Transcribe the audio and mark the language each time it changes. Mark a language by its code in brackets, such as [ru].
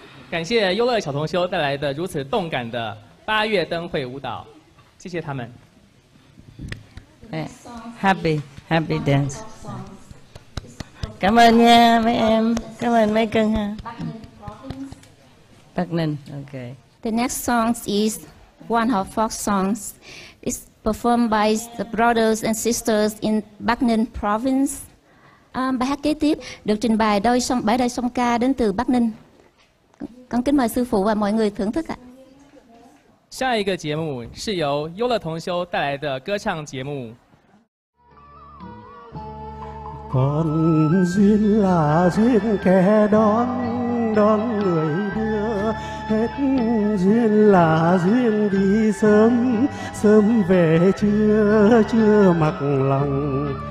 [zh] 感谢优乐小同修带来的如此动感的八月灯会舞蹈，谢谢他们。 [en] Happy, happy dance. [zh] 感谢你啊，妹妹，感谢妹根啊。 [en] Bagnan, okay. The next song is one of folk songs. It's performed by the brothers and sisters in Bagnan province. [vi] Bài hát kế tiếp được trình bày đôi song bài đôi song ca đến từ Bắc Ninh. Con kính mời sư phụ và mọi người thưởng thức ạ. [zh] 下一个节目是由优乐同修带来的歌唱节目。 [vi] Còn duyên là duyên kẻ đón đón người đưa, hết duyên là duyên đi sớm sớm về chưa chưa mặc lòng.